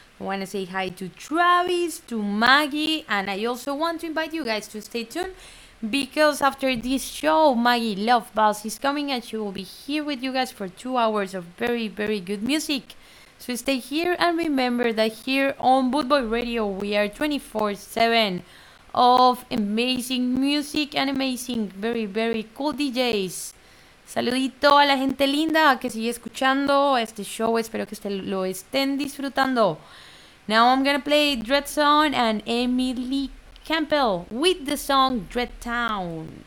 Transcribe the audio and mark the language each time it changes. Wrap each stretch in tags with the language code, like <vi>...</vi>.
<en>I want to say hi to Travis, to Maggie, and I also want to invite you guys to stay tuned because after this show, Maggie Love Buzz is coming and she will be here with you guys for 2 hours of very, very good music. So stay here and remember that here on Bootboy Radio, we are 24/7. of amazing music and amazing, very, very cool DJs.</en> <es>Saludito a la gente linda que sigue escuchando este show. Espero que lo estén disfrutando.</es> <en>Now I'm gonna play Dreadzone and Emily Campbell with the song Dreadtown.</en>